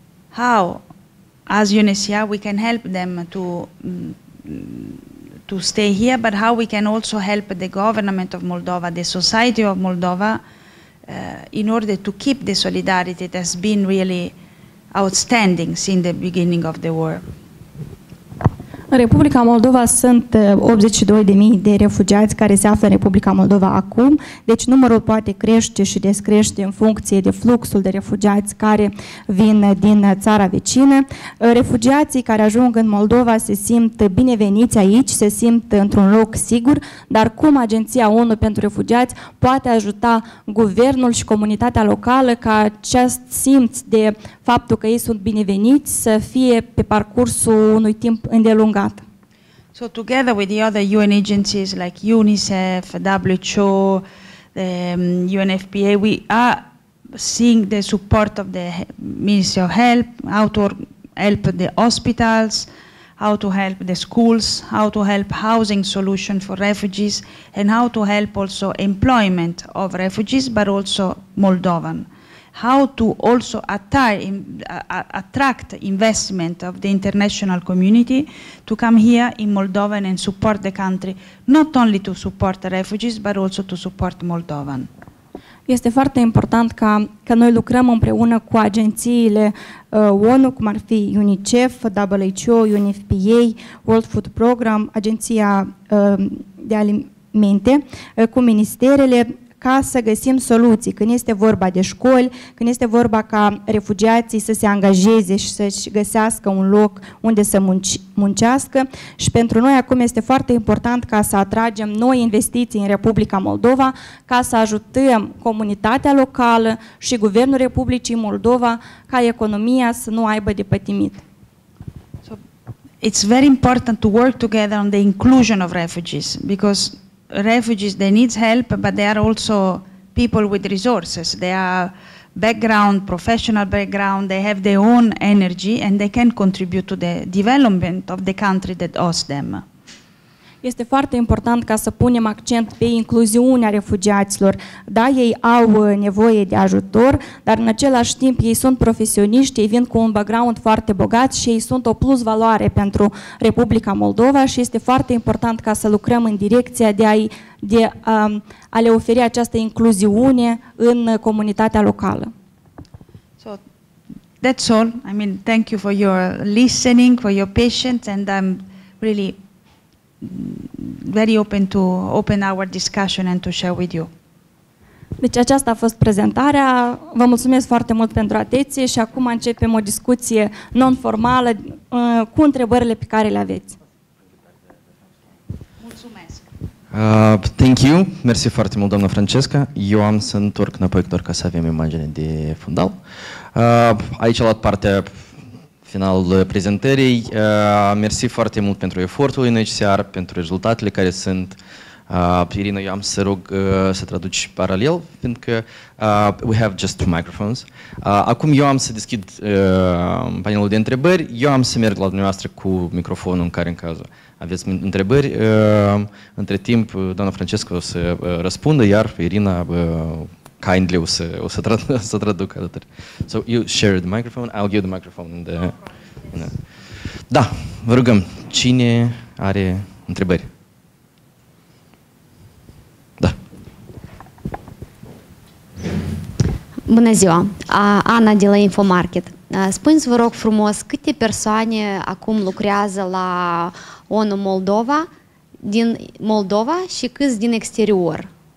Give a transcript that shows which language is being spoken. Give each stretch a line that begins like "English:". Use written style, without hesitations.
English: How, as UNHCR, we can help them to stay here, but how we can also help the government of Moldova, the society of Moldova, in order to keep the solidarity that has been really outstanding since the beginning of the war.
Romanian: În Republica Moldova sunt 82.000 de refugiați care se află în Republica Moldova acum, deci numărul poate crește și descrește în funcție de fluxul de refugiați care vin din țara vecină. Refugiații care ajung în Moldova se simt bineveniți aici, se simt într-un loc sigur, dar cum Agenția ONU pentru Refugiați poate ajuta guvernul și comunitatea locală ca acest simț de faptul că ei sunt bineveniți să fie pe parcursul unui timp îndelungat?
English: So together with the other UN agencies like UNICEF, WHO, UNFPA, we are seeing the support of the Ministry of Health, how to help the hospitals, how to help the schools, how to help housing solution for refugees, and how to help also employment of refugees, but also Moldovan. How to also attract investment of the international community to come here in Moldova and support the country, not only to support the refugees, but also to support Moldovan.
Romanian: Este foarte important ca, ca noi lucrăm împreună cu agențiile ONU, cum ar fi UNICEF, WHO, UNFPA, World Food Program, Agenția de Alimente, cu ministerele, ca să găsim soluții când este vorba de școli, când este vorba ca refugiații să se angajeze și să-și găsească un loc unde să muncească. Și pentru noi acum este foarte important ca să atragem noi investiții în Republica Moldova, ca să ajutăm comunitatea locală și Guvernul Republicii Moldova ca economia să nu aibă de pătimit.
English: So, it's very important to work together on the inclusion of refugees, because refugees, they need help, but they are also people with resources. They are background, professional background, they have their own energy and they can contribute to the development of the country that hosts them.
Romanian: Este foarte important ca să punem accent pe incluziunea refugiaților. Da, ei au nevoie de ajutor, dar în același timp ei sunt profesioniști, ei vin cu un background foarte bogat și ei sunt o plusvaloare pentru Republica Moldova și este foarte important ca să lucrăm în direcția de a le oferi această incluziune în comunitatea locală.
English: So, that's all. I mean, thank you for your listening, for your patience, and I'm really very open to open our discussion and to share with you.
Romanian: Deci aceasta a fost prezentarea. Vă mulțumesc foarte mult pentru atenție și acum începem o discuție non-formală cu întrebările pe care le aveți. Mulțumesc.
English: Thank you.
Romanian: Mersi foarte mult, doamna Francesca. Eu am să întorc înapoi doar ca să avem imagine de fundal. Aici a luat parte finalul prezentării. Mersi foarte mult pentru efortul în HCR, pentru rezultatele care sunt. Irina, eu am să rog să traduci paralel, fiindcă
English: we have just two microphones.
Romanian: Acum eu am să deschid panelul de întrebări. Eu am să merg la dumneavoastră cu microfonul în care în cază aveți întrebări. Între timp, doamna Francesca o să răspundă, iar Irina kindly o să traduc alături.
English: So you share the microphone, I'll give the microphone. In the, in the.
Romanian: Da, vă rugăm, cine are întrebări? Da. Bună ziua, Ana de la Infomarket. Spuneți vă rog frumos, câte persoane acum lucrează la ONU Moldova, din Moldova și câți din exterior?